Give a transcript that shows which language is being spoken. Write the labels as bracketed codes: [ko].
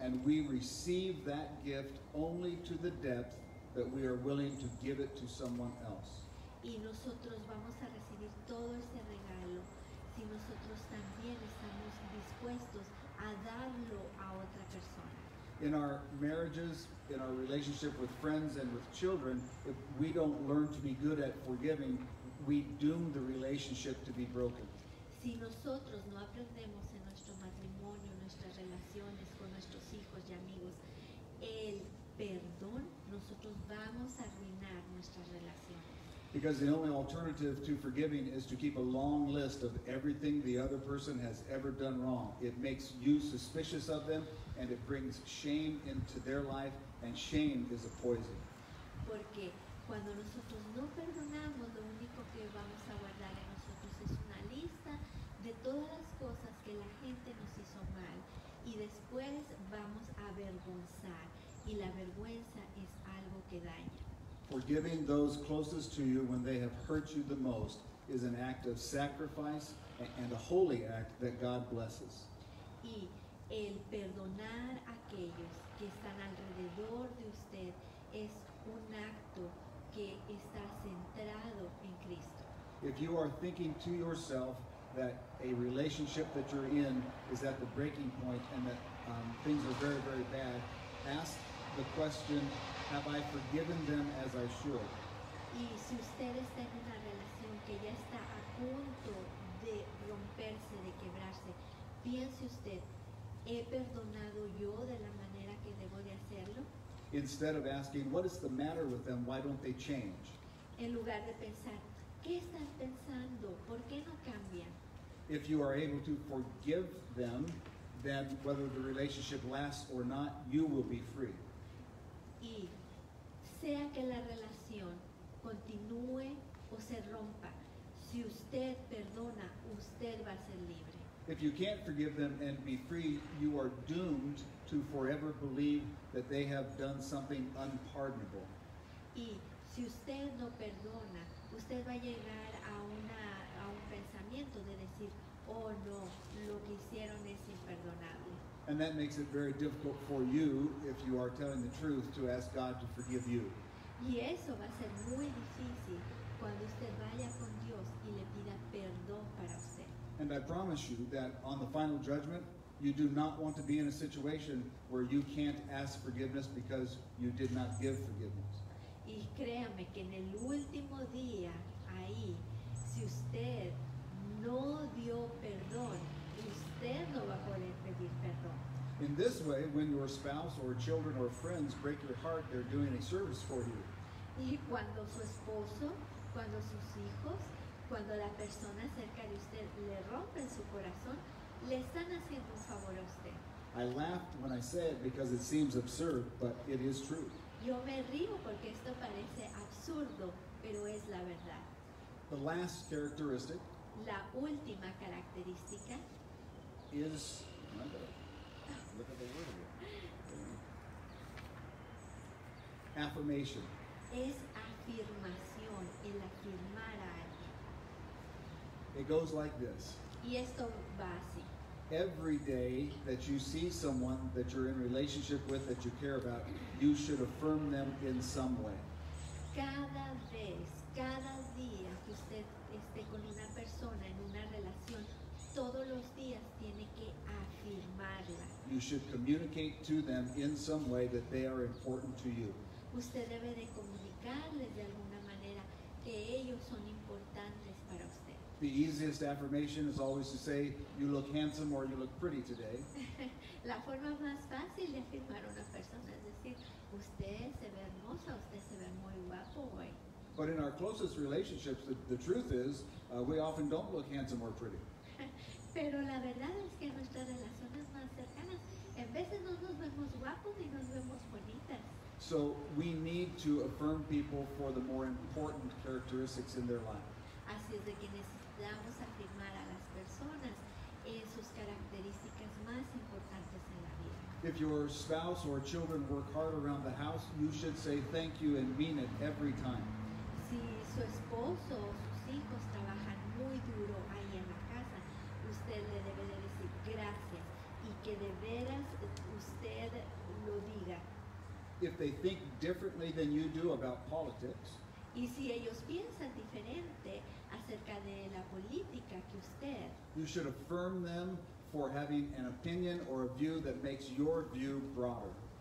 [en] And we receive that gift only to the depth that we are willing to give it to someone else. [es] Y nosotros vamos a recibir todo ese regalo si nosotros también estamos dispuestos a darlo a otra persona. [en] In our marriages, in our relationship with friends and with children, if we don't learn to be good at forgiving, we doom the relationship to be broken. [es] Si nosotros no aprendemos en nuestro matrimonio, nuestras relaciones con nuestros hijos y amigos, el perdón, nosotros vamos a arruinar nuestras relaciones. [en] Because the only alternative to forgiving is to keep a long list of everything the other person has ever done wrong. It makes you suspicious of them, and it brings shame into their life, and shame is a poison. [es] Porque cuando nosotros no perdonamos, lo único que vamos a guardar en nosotros es una lista de todas las cosas que la gente nos hizo mal, y después vamos a avergonzar, y la vergüenza es algo que daña. [en] Forgiving those closest to you when they have hurt you the most is an act of sacrifice and a holy act that God blesses. [es] Y el perdonar a aquellos que están alrededor de usted es un acto que está centrado en Cristo. [en] If you are thinking to yourself that a relationship that you're in is at the breaking point and that things are very, very bad, ask the question, have I forgiven them as I should? [es] Y si usted está en una relación que ya está a punto de romperse, de quebrarse, piense usted, ¿he perdonado yo de la manera que debo de hacerlo? [en] Instead of asking, what is the matter with them? Why don't they change? [es] En lugar de pensar, ¿qué están pensando? ¿Por qué no cambian? [en] If you are able to forgive them, then whether the relationship lasts or not, you will be free. [es] Y sea que la relación continúe o se rompa, si usted perdona, usted va a ser libre. [en] If you can't forgive them and be free, you are doomed to forever believe that they have done something unpardonable. [es] Y si usted no perdona, usted va a llegar a un pensamiento de decir, oh no, lo que hicieron es imperdonable. [en] And that makes it very difficult for you, if you are telling the truth, to ask God to forgive you. [es] Y eso va a ser muy difícil cuando usted vaya con Dios y le pida perdón para usted. [en] And I promise you that on the final judgment, you do not want to be in a situation where you can't ask forgiveness because you did not give forgiveness. [es] Y créame que en el último día, ahí, si usted no dio perdón, usted no va a poder pedir perdón. [en] In this way, when your spouse or children or friends break your heart, they're doing a service for you. [es] Y cuando su esposo, cuando sus hijos, cuando la persona cerca de usted le rompe su corazón, le están haciendo un favor a usted. [en] I laughed when I said it because it seems absurd, but it is true. [es] Yo me río porque esto parece absurdo, pero es la verdad. [en] The last characteristic. [es] La última característica. [en] Is, look at the word here. Affirmation. [es] Es afirmación, el afirmar a alguien. [en] It goes like this. [es] Y esto va así. [en] Every day that you see someone that you're in relationship with, that you care about, you should affirm them in some way. [es] Cada vez, cada día que usted esté con una persona en una relación, todos los días tiene que afirmarla. [en] You should communicate to them in some way that they are important to you. [es] Usted debe de comunicarles de alguna manera que ellos son importantes para usted. [en] The easiest affirmation is always to say, you look handsome or you look pretty today. [es] La forma más fácil de afirmar a una persona es decir, usted se ve hermosa, usted se ve muy guapo hoy. [en] But in our closest relationships, the truth is, we often don't look handsome or pretty. [es] Pero la verdad es que en nuestras relaciones más cercanas, en veces no nos vemos guapos ni nos vemos bonitas. [en] So we need to affirm people for the more important characteristics in their life. [es] Así es de que necesitamos afirmar a las personas en sus características más importantes en la vida. [en] If your spouse or children work hard around the house, you should say thank you and mean it every time. [es] Si su esposo o sus hijos trabajan muy duro ahí en la casa, usted le debe de decir gracias y que de veras usted lo diga. [en] If they think differently than you do about politics, [es] y si ellos piensan diferente acerca de la política que usted, [en] you should affirm them for having an opinion or a view that makes your view broader.